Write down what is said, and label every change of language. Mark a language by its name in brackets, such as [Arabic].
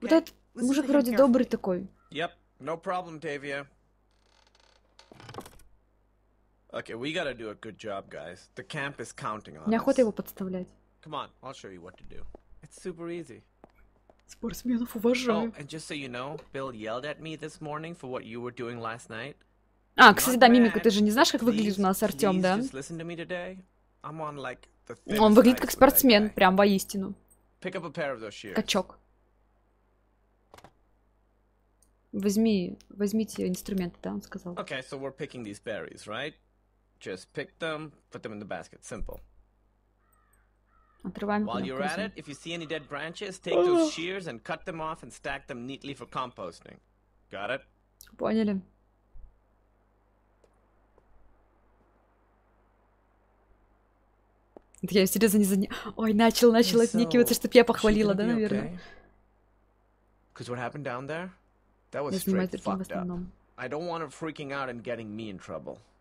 [Russian] Вот этот мужик вроде добрый такой. [English] Yep, no problem, Tavia. Okay, we gotta do a good job, guys. The camp is counting on us. [Russian] Неохота его подставлять. [English] Come on, I'll show you what to do. It's super easy. [Russian] Спортсменов уважаю. [English] Oh, and just so you know, Bill yelled at me this morning for what you were doing last night. [Russian] А, кстати, да, мимика, ты же не знаешь, как выглядит у нас Артём, да? [English] Please just listen to me today. I'm on, like, the thin. [Russian] Он выглядит как спортсмен, прям воистину. [English] Pick up a pair of those shears. [Russian] Качок. Возьми, возьмите инструменты, да, он сказал. [English] Okay, so we're picking these berries, right? Just pick them, put them in the basket. Simple. [Russian] Отрываем. [English] While you're at it, if you see any dead branches, take those shears and cut them off and stack them neatly for composting. Got it? [Russian] Поняли. Да я серьезно не занял. Ой, начал отникиваться, чтобы я похвалила, да, наверное? [English] Because what happened down there? That was straight fucked up. I don't want her freaking out and getting me in trouble.